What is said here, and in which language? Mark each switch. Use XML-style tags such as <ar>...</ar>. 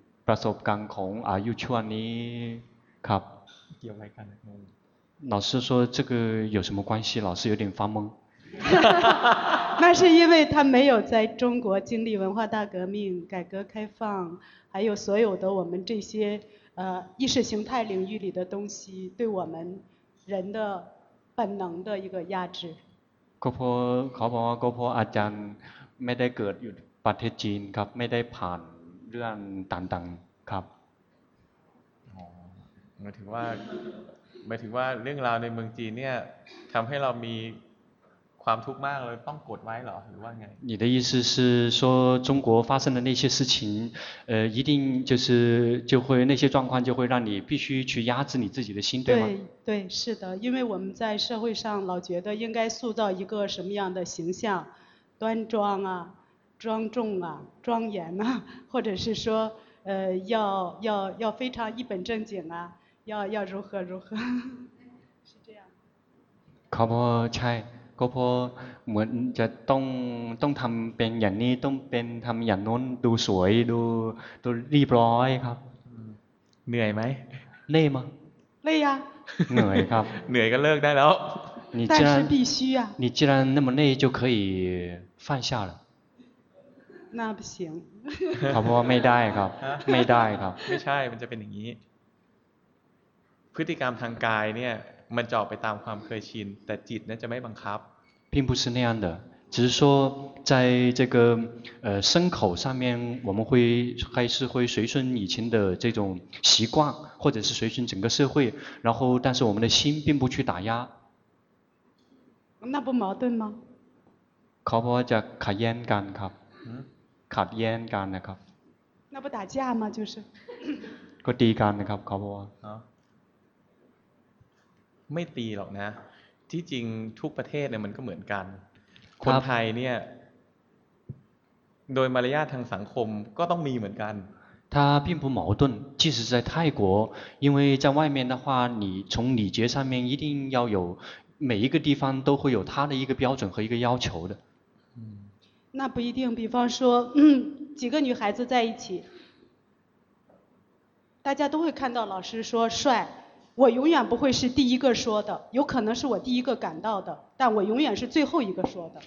<th>ประสบการณ์ของอายุช่วงนี้ครับ เกี่ยวอะไรกัน</th> <zh>老师说这个有什么关系老师有点发懵那是因为他没有在中国经历文化大革命改革开放还有所有的我们这些意识形态领域里的东西对我们人的本能的一个压制</zh> <th>ก็เพราะอาจารย์ไม่ได้เกิดอยู่ประเทศจีนครับไม่ได้ผ่านเรื่องต่างๆครับ หมายถึงว่าเรื่องราวในเมืองจีนเนี่ยทำให้เรามีความทุกข์มากเลยต้องกดไว้หรอหรือว่าไง</th> <zh>你的意思是说中国发生的那些事情一定就是就会那些状况就会让你必须去压制你自己的心对吗对对是的因为我们在社会上老觉得应该塑造一个什么样的形象端庄啊庄重啊庄严啊或者是说要非常一本正经啊要如何如何是这样</zh> <th>ครับใช่ก็เพราะเหมือนจะต้องทำเป็นอย่างนี้ต้องเป็นทำอย่างโน้นดูสวยดูรีบร้อยครับ เหนื่อยไหม เหนื่อยมั้ย เหนื่อยอ่ะ เหนื่อยครับ เหนื่อยก็เลิกได้แล้ว</th> <zh>你既然必须啊你既然那么累就可以放下了那不行</zh> <th>ครับเพราะไม่ได้ครับไม่ได้ครับ ไม่ใช่มันจะเป็นอย่างนี้พฤติกรรมทางกายเนี่ยมันจะออกไปตามความเคยชินแต่จิตนั้นจะไม่บังคับ</th> <zh>并不是那样的只是说在这个身口上面我们会还是会随顺以前的这种习惯或者是随顺整个社会然后但是我们的心并不去打压那不矛盾吗</zh> <th>เขาบอกว่าจะขัดแย้งกันครับขัดแย้งกันนะครับ</th> <zh>那不打架吗就是</zh> <th>ก็ตีกันนะครับเขาบอกว่า ไม่ตีหรอกนะที่จริงทุกประเทศเนี่ยมันก็เหมือนกันคนไทยเนี่ยโดยมารยาททางสังคมก็ต้องมีเหมือนกัน</th> <zh>它并不矛盾即使在泰国因为在外面的话你从礼节上面一定要有每一个地方都会有它的一个标准和一个要求的那不一定比方说几个女孩子在一起大家都会看到老师说帅我永远不会是第一个说的有可能是我第一个感到的但我永远是最后一个说的</zh>